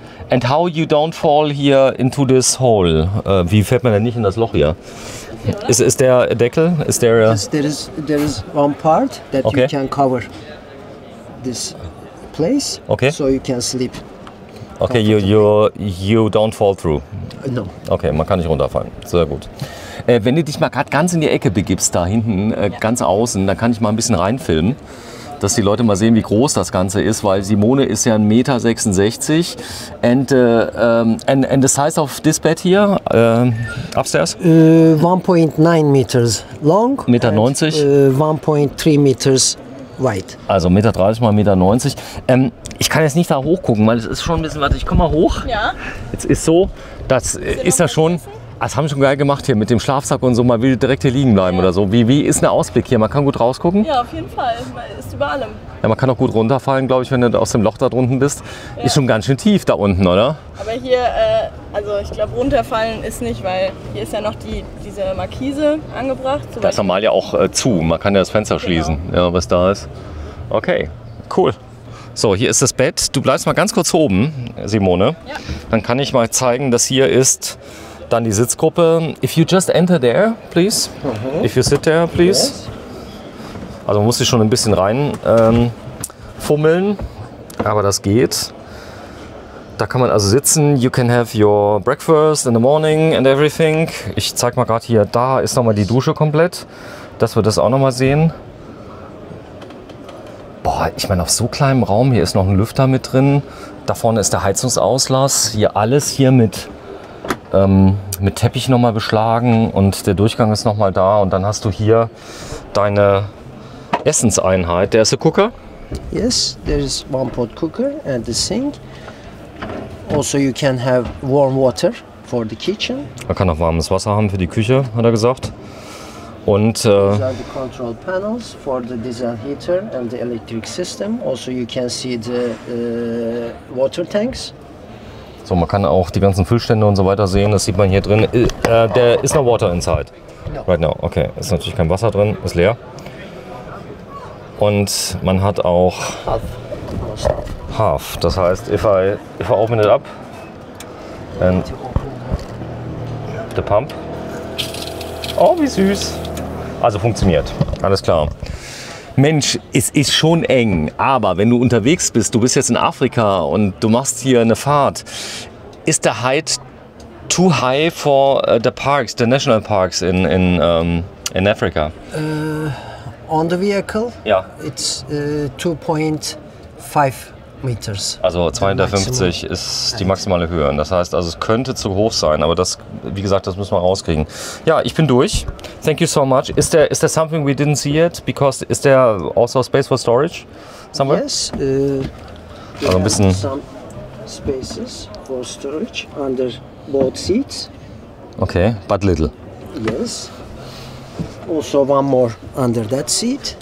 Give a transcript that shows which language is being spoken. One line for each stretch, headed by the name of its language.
English: And how you don't fall here into this hole?
German: Wie fällt man denn nicht in das Loch hier? Ist der Deckel? Ist der?
English: There is one part that okay. you can cover this place, okay. so you can sleep. Okay, you don't fall through. No.
German: Okay, man kann nicht runterfallen. Sehr gut. Wenn du dich mal gerade ganz in die Ecke begibst, da hinten, ganz außen, dann kann ich mal ein bisschen reinfilmen, dass die Leute mal sehen, wie groß das Ganze ist, weil Simone ist ja 1,66 Meter.
English: And the size of this bed here, upstairs? 1.9 meters long.
German: 1,90 Meter.
English: 1.3 meters wide.
German: Also 1,30 Meter mal 1,90 Meter. Ich kann jetzt nicht da hochgucken, weil es ist schon ein bisschen, warte, ich komme mal hoch. Ja. Jetzt ist so, das ist ja da schon, wissen? Das haben wir schon geil gemacht hier mit dem Schlafsack und so, man will direkt hier liegen bleiben ja. oder so. Wie ist der Ausblick hier? Man kann gut rausgucken? Ja, auf jeden Fall. Man ist über allem. Ja, man kann auch gut runterfallen, glaube ich, wenn du aus dem Loch da drunten bist. Ja. Ist schon ganz schön tief da unten, oder? Aber hier, also ich glaube, runterfallen ist nicht, weil hier ist ja noch diese Markise angebracht. Das ist normal ja auch zu, man kann ja das Fenster schließen, genau. ja, was da ist. Okay, cool. So, hier ist das Bett. Du bleibst mal ganz kurz oben, Simone. Ja. Dann kann ich mal zeigen, dass hier ist dann die Sitzgruppe.
English: If you just enter there, please. Mhm. If you sit there, please. Yes.
German: Also man muss sich schon ein bisschen rein fummeln, aber das geht. Da kann man also sitzen.
English: You can have your breakfast in the morning and everything.
German: Ich zeig mal gerade hier, da ist nochmal die Dusche komplett, dass wir das auch nochmal sehen. Boah, ich meine, auf so kleinem Raum, hier ist noch ein Lüfter mit drin. Da vorne ist der Heizungsauslass. Hier alles hier mit Teppich nochmal beschlagen und der Durchgang ist nochmal da. Und dann hast du hier deine Essenseinheit.
English: There is a cooker. Yes, there is one pot cooker and the sink. Also you can have warm water for the kitchen.
German: Man kann auch warmes Wasser haben für die Küche, hat er gesagt. Und
English: these are the control panels for the diesel heater and the electric system. Also you can see the water tanks.
German: So, man kann auch die ganzen Füllstände und so weiter sehen. Das sieht man hier drin.
English: There is no water inside. No. Right now.
German: Okay, ist natürlich kein Wasser drin, ist leer. Und man hat auch
English: half.
German: Das heißt,
English: if I open it up and the pump.
German: Oh, wie süß. Also funktioniert. Alles klar. Mensch, es ist schon eng, aber wenn du unterwegs bist, du bist jetzt in Afrika und du machst hier eine Fahrt, ist der
English: Height too high for the parks, the national parks in Africa? On the vehicle?
German: Ja.
English: It's 2.5 meters.
German: Also 250 ist die maximale Höhe. Das heißt, also es könnte zu hoch sein, aber das, wie gesagt, das müssen wir rauskriegen. Ja, ich bin durch.
English: Thank you so much. Is there something we didn't see yet? Because is there also space for storage somewhere? Yes.
German: Also ein bisschen.
English: Some spaces for storage under both seats. Okay, but little. Yes. Also one more under that seat.